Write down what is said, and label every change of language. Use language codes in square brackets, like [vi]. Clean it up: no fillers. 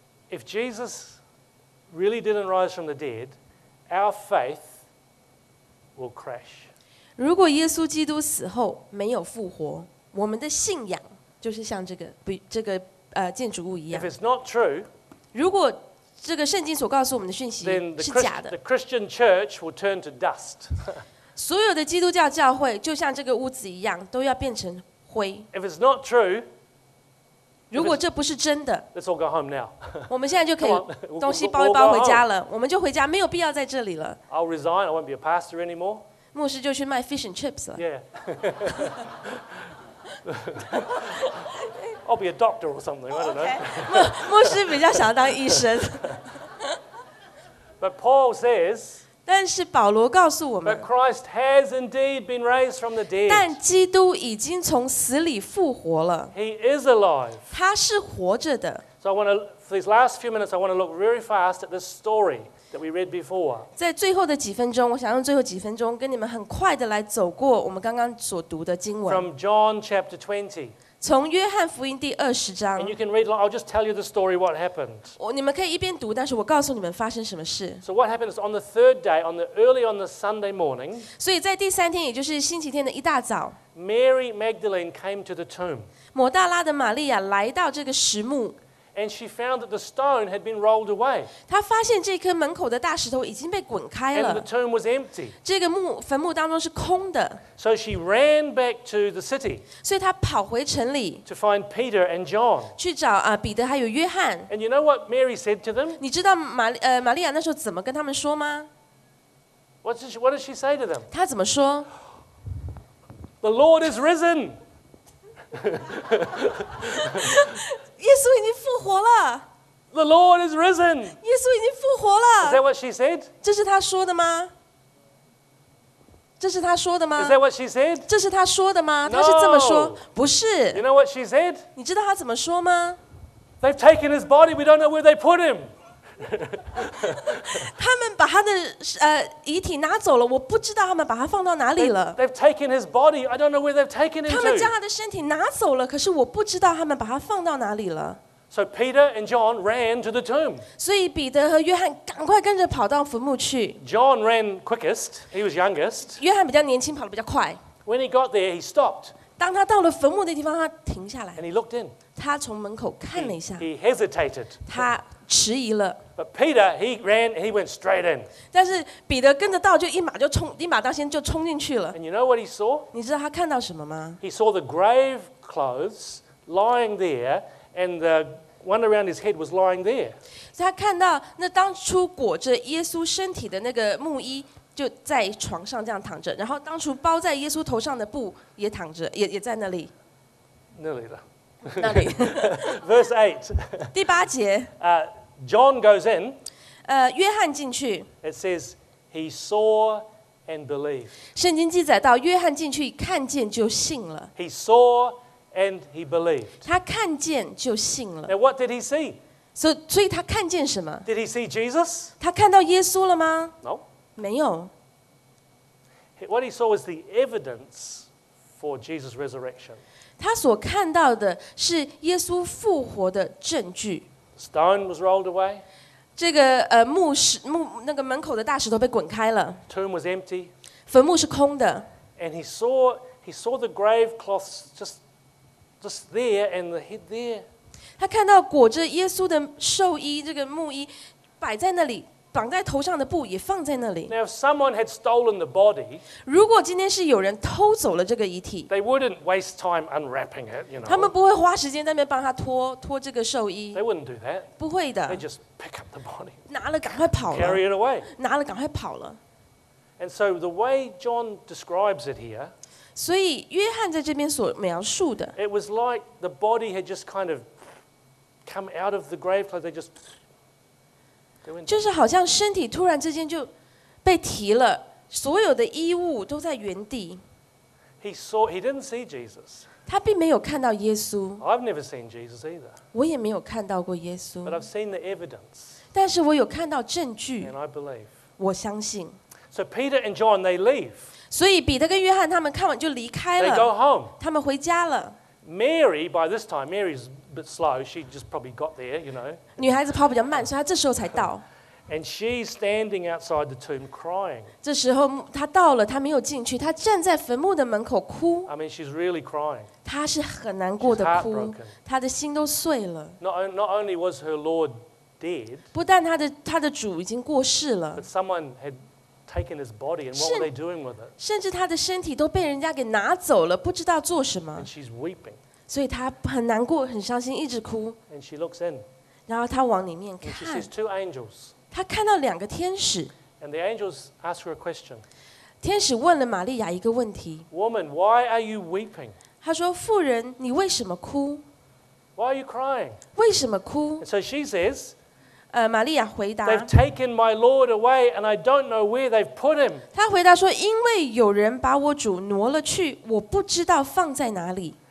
[en] If Jesus really didn't rise from the dead, our faith will crash. [zh] 如果耶稣基督死后没有复活，我们的信仰就是像这个建筑物一样。 [en] If it's not true, [zh] 如果这个圣经所告诉我们的讯息是假的 [en] ，the Christian church will turn to dust. [zh] 所有的基督教教会就像这个屋子一样，都要变成灰。 [en] If it's not true. [zh] 如果这不是真的 [en] Let's all go home now. [zh] 我们现在就可以东西包一包回家了我们就回家没有必要在这里了 [en] I'll resign, I won't be a pastor anymore. [zh] 牧师就去卖 [en] fish and chips [zh] 了 [en] Yeah. I'll be a doctor or something, I don't know. [zh] 牧师比较想要当医生 [en] But Paul says, [zh] 但是保罗告诉我们， [en] But Christ has indeed been raised from the dead. [zh] 但基督已经从死里复活了。 [en] He is alive. [zh] 他是活着的。 [en] So I want to, for these last few minutes, I want to look very fast at this story. That we read before. [zh] 在最后的几分钟，我想用最后几分钟跟你们很快的来走过我们刚刚所读的经文。 [en] From John chapter 20. [zh] 从约翰福音第二十章。 [en] And you can read. I'll just tell you the story. What happened? [zh] 你们可以一边读，但是我告诉你们发生什么事。 [en] So what happened is on the third day, on the early on the Sunday morning. [zh] 所以在第三天，也就是星期天的一大早。 [en] Mary Magdalene came to the tomb. [zh] 抹大拉的玛利亚来到这个石墓。 [en] And she found that the stone had been rolled away. [zh] 她发现这颗门口的大石头已经被滚开了。 [en] And the tomb was empty. [zh] 这个墓坟墓当中是空的。 [en] So she ran back to the city. [zh] 所以她跑回城里。 [en] To find Peter and John. [zh] 去找彼得还有约翰。 [en] And you know what Mary said to them? [zh] 你知道玛利亚那时候怎么跟他们说吗？ [en] What did she say to them? [zh] 她怎么说？ [en] The Lord is risen. [zh] 耶稣已经复活了。 [en] The Lord is risen. [zh] 耶稣已经复活了。 [en] Is that what she said? [zh] 这是她说的吗？这是她说的吗？ [en] Is that what she said? [zh] 这是她说的吗？ [en] No. [zh] 她是这么说，不是。 [en] You know what she said? [zh] 你知道她怎么说吗？ [en] They've taken his body. We don't know where they put him. [zh] 他们把他的遗体拿走了，我不知道他们把他放到哪里了。 [en] They've taken his body. I don't know where they've taken him to. [zh] 他们将他的身体拿走了，可是我不知道他们把他放到哪里了。 [en] So Peter and John ran to the tomb. [zh] 所以彼得和约翰赶快跟着跑到坟墓去。 [en] John ran quickest. He was youngest. [zh] 约翰比较年轻，跑得比较快。 [en] When he got there, he stopped. [zh] 当他到了坟墓的地方，他停下来。 [en] And he looked in. [zh] 他从门口看了一下。 [en] He hesitated. [zh] 他迟疑了。 [en] But Peter, he ran, he went straight in. [zh] 但是彼得跟着到，就一马就冲，一马当先就冲进去了。 [en] And you know what he saw? [zh] 你知道他看到什么吗？ [en] He saw the grave clothes lying there, and the one around his head was lying there. [zh] 所以他看到那当初裹着耶稣身体的那个木衣就在床上这样躺着，然后当初包在耶稣头上的布也躺着，也在那里。那里了。那里。 [en] Verse 8. [zh] 第八节。 [en] John goes in. [zh] 约翰进去。 [en] It says he saw and believed. [zh] 圣经记载到约翰进去看见就信了。 [en] He saw and he believed. [zh] 他看见就信了。 [en] Now what did he see? [zh] 所以他看见什么？ [en] Did he see Jesus? [zh] 他看到耶稣了吗？ [en] No. [zh] 没有。 [en] What he saw was the evidence for Jesus' resurrection. [zh] 他所看到的是耶稣复活的证据。 [en] Stone was rolled away. [zh] 这个墓石墓那个门口的大石头被滚开了。 [en] Tomb was empty. [zh] 坟墓是空的。 [en] And he saw the grave cloths just there and the head there. [zh] 他看到裹着耶稣的寿衣这个木衣摆在那里，绑在头上的布也放在那里。 [en] Now if someone had stolen the body, [zh] 如果今天是有人偷走了这个遗体， [en] they wouldn't waste time unwrapping it, you know. [zh] 他们不会花时间在那边帮他脱这个寿衣。 [en] They wouldn't do that. [zh] 不会的。 [en] They just pick up the body. [zh] 拿了赶快跑了。 [en] Carry it away. [zh] 拿了赶快跑了。 [en] And so the way John describes it here, [zh] 所以约翰在这边所描述的， [en] it was like the body had just kind of come out of the grave clothes. They just [zh] 就是好像身体突然之间就被提了，所有的衣物都在原地。 [en] He didn't see Jesus. [zh] 他并没有看到耶稣。 [en] I've never seen Jesus either. [zh] 我也没有看到过耶稣。 [en] But I've seen the evidence. [zh] 但是我有看到证据。 [en] And I believe. [zh] 我相信。 [en] So Peter and John they leave. [zh] 所以彼得跟约翰他们看完就离开了。 [en] They go home. [zh] 他们回家了。 [en] Mary by this time Mary's bit slow. She just probably got there, you know. [zh] 女孩子跑比较慢，所以她这时候才到。 [en] And she's standing outside the tomb crying. [zh] 这时候她到了，她没有进去，她站在坟墓的门口哭。 [en] I mean, she's really crying. [zh] 她是很难过的哭，她的心都碎了。 [en] Not only was her Lord dead, [zh] 不但她的主已经过世了。 [en] But someone had taken his body, and what were they doing with it? [zh] 甚至她的身体都被人家给拿走了，不知道做什么。 [en] And she's weeping. [zh] 所以他很难过，很伤心，一直哭。 [en] And she looks in. [zh] 然后他往里面看。 [en] And she sees two angels. [zh] 他看到两个天使。 [en] And the angels ask her a question. [zh] 天使问了玛利亚一个问题。 [en] Woman, why are you weeping? [zh] 他说，妇人，你为什么哭？ [en] Why are you crying? [zh] 为什么哭？ [en] And so she says, [zh] 玛利亚回答 [en] They've taken my Lord away and I don't know where they've put him. [zh] 他回答说因为有人把我主挪了去我不知道放在哪里。